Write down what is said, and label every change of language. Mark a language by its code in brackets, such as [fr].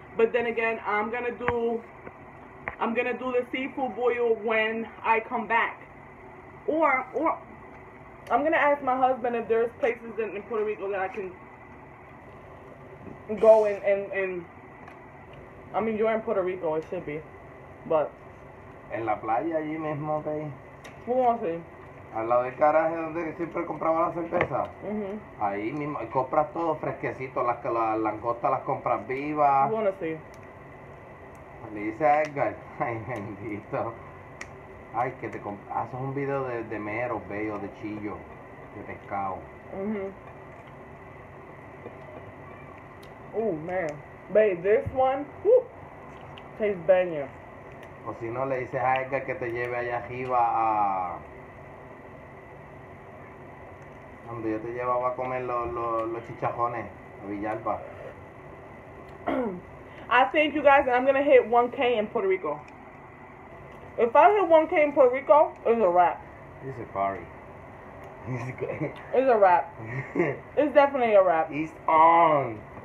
[en] But then again, I'm gonna do the seafood boil when I come back. Or I'm gonna ask my husband if there's places in Puerto Rico that I can go and I'm enjoying Puerto Rico, it should be. But [es] en la playa allí mismo, okay. ¿Cómo así? Al lado del garaje donde siempre compraba la cerveza. Mm-hmm. Ahí mismo, y compras todo fresquecito, las langostas las compras vivas. Bueno, sí. Le dice Edgar, ay, bendito. Ay, que te haces un video de mero, bello, de chillo, de pescado. [en] Mm-hmm. Oh, man. Babe, this one, tastes banging. [es] O si no, le dices a Edgar que te lleve allá arriba a... Cuando yo te llevaba a comer los chicharrones a Villalba. [en] I think you guys, I'm gonna hit 1K in Puerto Rico. If I hit 1K in Puerto Rico, it's a wrap. It's a party. It's a wrap. It's definitely a wrap. It's on.